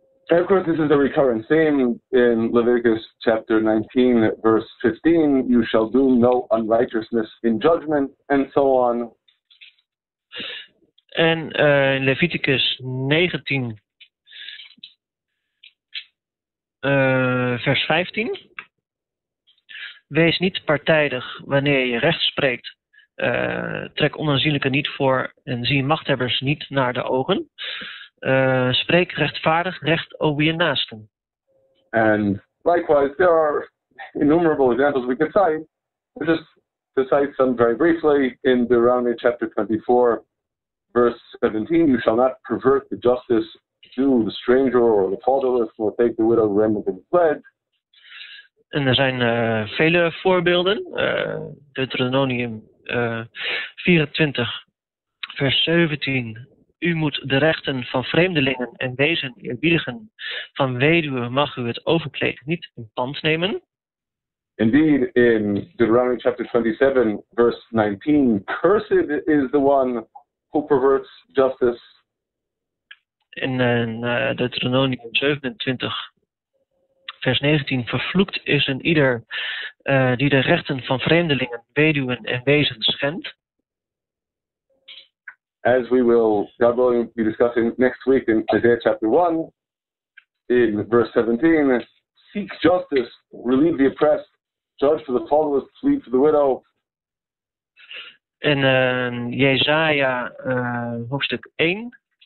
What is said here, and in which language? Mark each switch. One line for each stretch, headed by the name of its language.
English: And of course, this is a recurrent theme in Leviticus chapter 19, verse 15. You shall do no unrighteousness in judgment, and so on.
Dutch: En in Leviticus 19, vers 15. Wees niet partijdig wanneer je recht spreekt. Trek onaanzienlijke niet voor en zie machthebbers niet naar de ogen. Spreek rechtvaardig recht over je naasten.
English: And likewise, there are innumerable examples we can cite. Just to cite some very briefly, in Deuteronomy chapter 24, verse 17, you shall not pervert the justice to the stranger or the fatherless, nor take the widow the remnant of the fled.
Dutch: En er zijn vele voorbeelden. Deuteronomium 24, vers 17. U moet de rechten van vreemdelingen en wezen eerbiedigen. Van weduwen mag u het overkleed niet in pand nemen.
English: Indeed, in Deuteronomy chapter 27, verse 19, cursed is the one who perverts justice.
Dutch: In Deuteronomium 27, vers 19, vervloekt is een ieder die de rechten van vreemdelingen, weduwen en wezen schendt.
English: As we will, God willing, be discussing next week in Isaiah chapter 1, in verse 17, seek justice, relieve the oppressed, judge for the fatherless, plead for the widow.
Dutch: In Jesaja hoofdstuk 1.